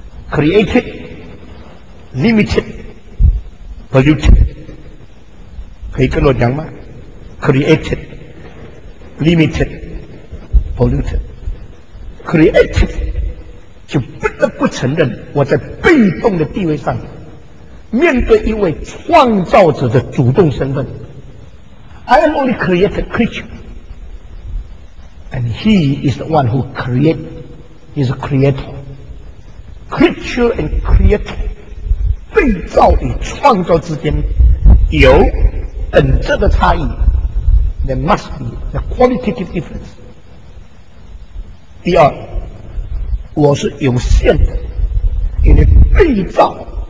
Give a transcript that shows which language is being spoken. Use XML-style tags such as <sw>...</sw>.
<en>Created Limited Polluted，</en> <zh>可以跟我讲吗？</zh> <en>Created Limited Polluted。</en> <zh>Created 就不得不承认我在被动的地位上面对一位创造者的主动身份。</zh> <en>I am only created creature and he is the one who create, he is a creator. Creature and creator，</en> <zh>被造与创造之间有本质的差异。</zh> <en>There must be a qualitative difference。</en> <zh>第二，我是有限的，因为被造</zh>